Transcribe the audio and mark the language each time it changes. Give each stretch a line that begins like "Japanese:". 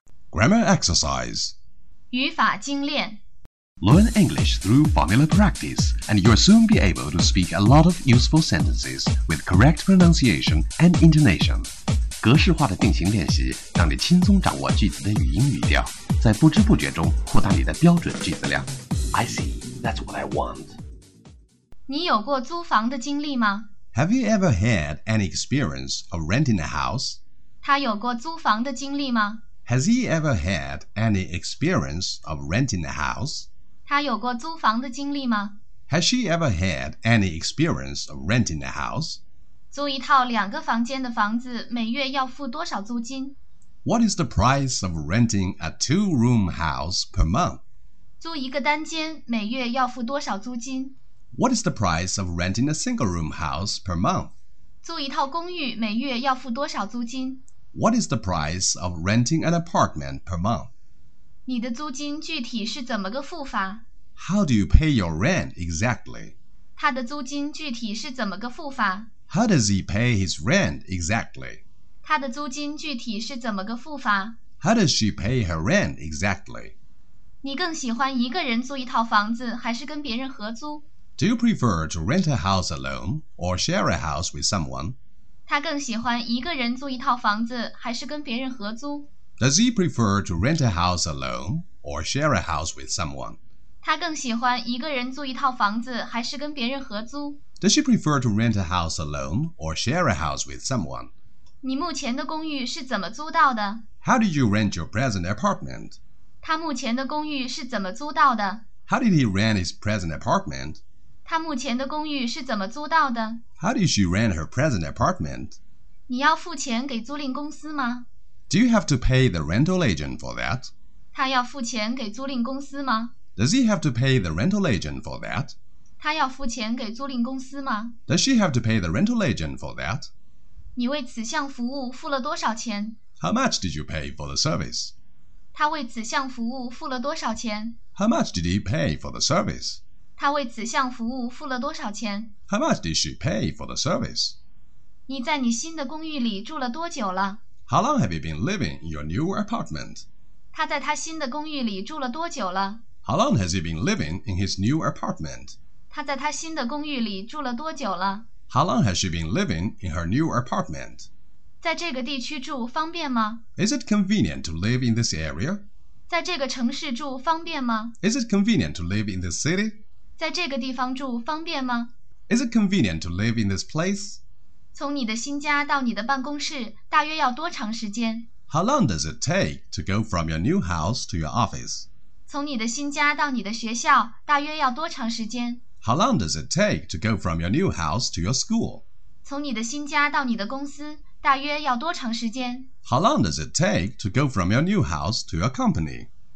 English: Grammar exercise.
Chinese: 语法精炼。
English: Learn English through formula practice, and you'll soon be able to speak a lot of useful sentences with correct pronunciation and intonation.
Chinese: 格式化的定型练习让你轻松掌握句子的语音语调，在不知不觉中扩大你的标准句子量。
English: I see, that's what I want.
Chinese: 你有过租房的经历吗？
English: Have you ever had any experience of renting a house?
Chinese: 他有过租房的经历吗？
English: Has he ever had any experience of renting a house?
Chinese: 她有过租房的经历吗？
English: Has she ever had any experience of renting a house?
Chinese: 租一套两个房间的房子每月要付多少租金？
English: What is the price of renting a two-room house per month?
Chinese: 租一个单间每月要付多少租金？
English: What is the price of renting a single-room house per month?
Chinese: 租一套公寓每月要付多少租金？
English: What is the price of renting an apartment per month?
Chinese: 你的租金具体是怎么个付法？
English: How do you pay your rent exactly?
Chinese: 他的租金具体是怎么个付法？
English: How does he pay his rent exactly?
Chinese: 他的租金具体是怎么个付法？
English: How does she pay her rent exactly?
Chinese: 你更喜欢一个人租一套房子还是跟别人合租？
English: Do you prefer to rent a house alone or share a house with someone?
Chinese: 他更喜欢一个人租一套房子还是跟别人合租？
English: Does he prefer to rent a house alone or share a house with someone?
Chinese: 他更喜欢一个人租一套房子还是跟别人合租？
English: Does she prefer to rent a house alone or share a house with someone?
Chinese: 你目前的公寓是怎么租到的？
English: How did you rent your present apartment?
Chinese: 他目前的公寓是怎么租到的？
English: How did he rent his present apartment?
Chinese: 她目前的公寓是怎么租到的？
English: How did she rent her present apartment?
Chinese: 你要付钱给租赁公司吗？
English: Do you have to pay the rental agent for that?
Chinese: 她要付钱给租赁公司吗？
English: Does he have to pay the rental agent for that?
Chinese: 她要付钱给租赁公司吗？
English: Does she have to pay the rental agent for that?
Chinese: 你为此项服务付了多少钱？
English: How much did you pay for the service?
Chinese: 她为此项服务付了多少钱？
English: How much did he pay for the service?
Chinese: 她为此项服务付了多少钱？
English: How much did she pay for the service?
Chinese: 你在你新的公寓里住了多久了？
English: How long have you been living in your new apartment?
Chinese: 她在她新的公寓里住了多久了？
English: How long has he been living in his new apartment?
Chinese: 她在她新的公寓里住了多久了？
English: How long has she been living in her new apartment?
Chinese: 在这个地区住方便吗？
English: Is it convenient to live in this area?
Chinese: 在这个城市住方便吗？
English: Is it convenient to live in this city?
Chinese: 在这个地方住方便吗？
English: Is it convenient to live in this place?
Chinese: 从你的新家到你的办公室大约要多长时间？
English: How long does it take to go from your new house to your office?
Chinese: 从你的新家到你的学校大约要多长时间？
English: How long does it take to go from your new house to your school?
Chinese: 从你的新家到你的公司大约要多长时间？
English: How long does it take to go from your new house to your company?